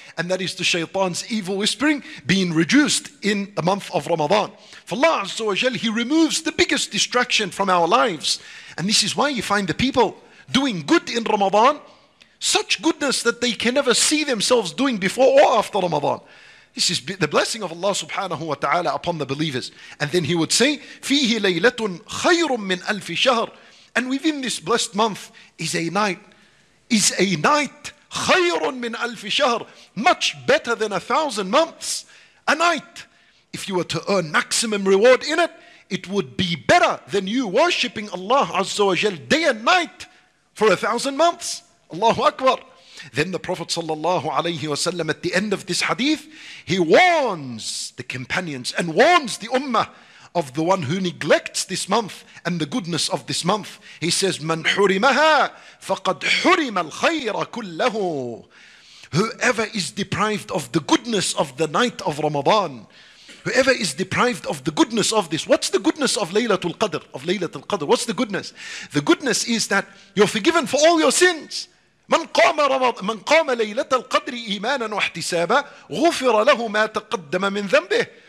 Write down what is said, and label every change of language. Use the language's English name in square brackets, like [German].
[English] And that is the shaitan's evil whispering being reduced in the month of Ramadan. For Allah Azza wa Jal, he removes the biggest distraction from our lives. And this is why you find the people doing good in Ramadan, such goodness that they can never see themselves doing before or after Ramadan. This is the blessing of Allah subhanahu wa ta'ala upon the believers. And then he would say, [Arabic] فِيهِ لَيْلَةٌ خَيْرٌ مِّنْ أَلْفِ شَهْرٍ. [English] And within this blessed month is a night [Arabic] خَيْرٌ مِّنْ أَلْفِ شَهْرٍ, [English] much better than 1,000 months. A night, if you were to earn maximum reward in it, it would be better than you worshipping Allah Azza wa Jal day and night for 1,000 months. Allahu Akbar. Then the Prophet sallallahu alayhi wa sallam, at the end of this hadith, he warns the companions and warns the ummah of the one who neglects this month and the goodness of this month. He says, [Arabic] "Man hurimaha faqad hurima al-khayra kullahu." [English] Whoever is deprived of the goodness of the night of Ramadan, whoever is deprived of the goodness of this, what's the goodness of Laylatul Qadr? Of Laylatul Qadr, what's the goodness? The goodness is that you're forgiven for all your sins. [Arabic] من قام ليلة القدر إيمانا واحتسابا غفر له ما تقدم من ذنبه.